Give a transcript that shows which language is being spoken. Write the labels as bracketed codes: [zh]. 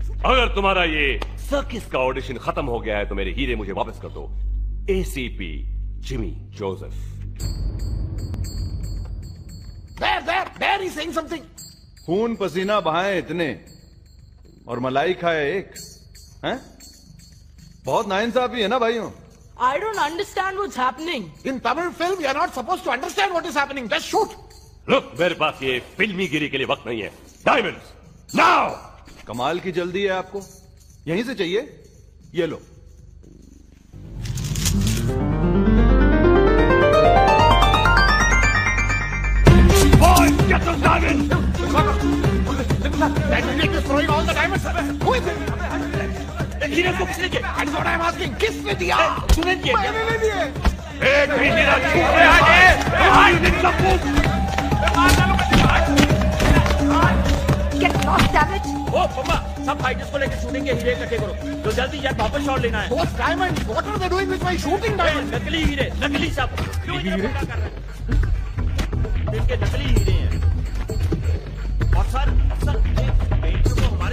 [hi] अगर तुम्हारा ये सर्किस का ऑडिशन खत्म हो गया है तो मेरे हीरे मुझे वापस कर दो. ACP Jimmy Joseph. [en] There is saying something. [hi] खून पसीना बहाए इतने और मलाई खाए एक, हैं? बहुत नाइंसाफी है ना भाइयों. [en] I don't understand what's happening. In Tamil film, you are not supposed to understand what is happening. Just shoot. [hi] Look, मेरे पास ये फिल्मी गिरी के लिए वक्त नहीं है. [en] Diamonds, now. [hi] कमाल की जल्दी है आपको, यहीं से चाहिए? ये लो. [en] get those diamonds! That idiot is throwing all the diamonds! Who is it? [hi] इनके नकली हीरे हैं और सर सर